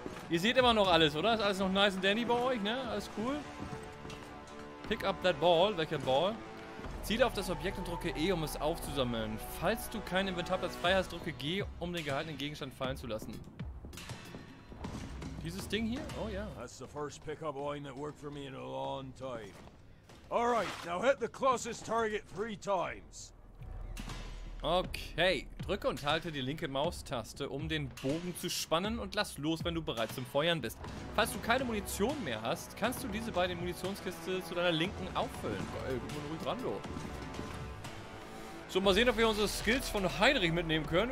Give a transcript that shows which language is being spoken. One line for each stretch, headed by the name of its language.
German: Ihr seht immer noch alles, oder? Ist alles noch
English: nice and dandy
German: bei euch, ne? Alles cool.
English: Pick up that ball.
German: Welcher Ball? Ziele auf das Objekt und drücke E, um es aufzusammeln. Falls du keinen Inventarplatz frei hast, drücke G, um den gehaltenen Gegenstand fallen zu lassen. Dieses Ding hier? Oh ja.
English: That's the first pickup line that worked for me in a long time. Alright, now hit the closest target 3 times.
German: Okay, drücke und halte die linke Maustaste, um den Bogen zu spannen und lass los, wenn du bereit zum Feuern bist. Falls du keine Munition mehr hast, kannst du diese bei der Munitionskiste zu deiner linken auffüllen. Geil, guck mal ruhig ran, du. So, mal sehen, ob wir unsere Skills von Heinrich mitnehmen können.